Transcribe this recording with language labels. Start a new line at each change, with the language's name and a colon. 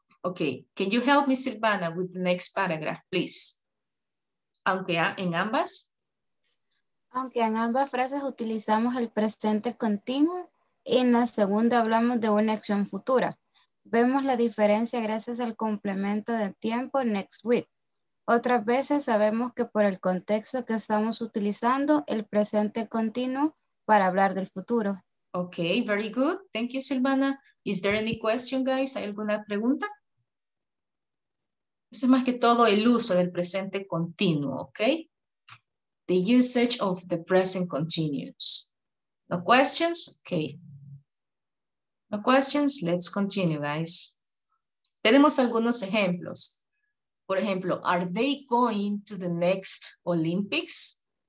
English: Okay, can you help me, Silvana, with the next paragraph, please?
Spanish: Aunque en ambas frases utilizamos el presente continuo, en la segunda hablamos de una acción futura. Vemos la diferencia gracias al complemento de tiempo
English: next week.
Spanish: Otras veces sabemos que por el contexto que estamos utilizando el presente continuo para hablar del futuro.
English: Okay, very good. Thank you, Silvana. Is there any question, guys?
Spanish: ¿Hay alguna pregunta? Es más que todo el uso del presente continuo, okay?
English: The usage of the present continuous. No questions? Okay. No questions, let's continue, guys.
Spanish: Tenemos algunos ejemplos. Por ejemplo,
English: are they going to the next Olympics?